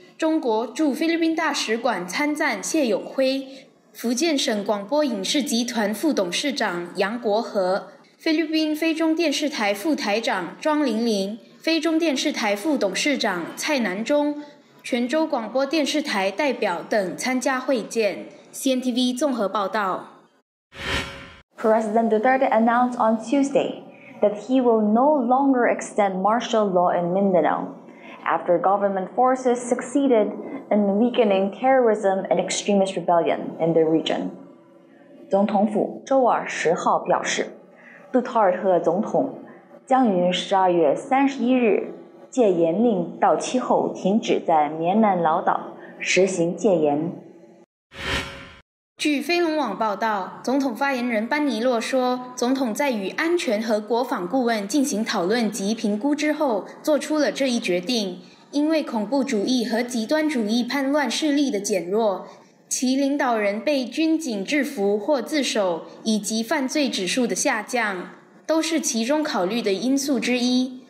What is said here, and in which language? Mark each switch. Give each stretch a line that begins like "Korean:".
Chinese: 中国驻菲律宾大使馆参赞谢永辉、福建省广播影视集团副董事长杨国和、菲律宾菲中电视台副台长庄玲玲、菲中电视台副董事长蔡南中、泉州广播电视台代表等参加会见。 CNTV 综合报道。
English: President Duterte announced on Tuesday that he will no longer extend martial law in Mindanao after government forces succeeded in weakening terrorism and extremist rebellion in the region.
Chinese: 总统府周二十号表示，杜特尔特总统将于12月31日戒严令到期后停止在棉兰老岛实行戒严。据飞龙网报道，总统发言人班尼洛说，总统在与安全和国防顾问进行讨论及评估之后做出了这一决定，因为恐怖主义和极端主义叛乱势力的减弱，其领导人被军警制服或自首，以及犯罪指数的下降，都是其中考虑的因素之一。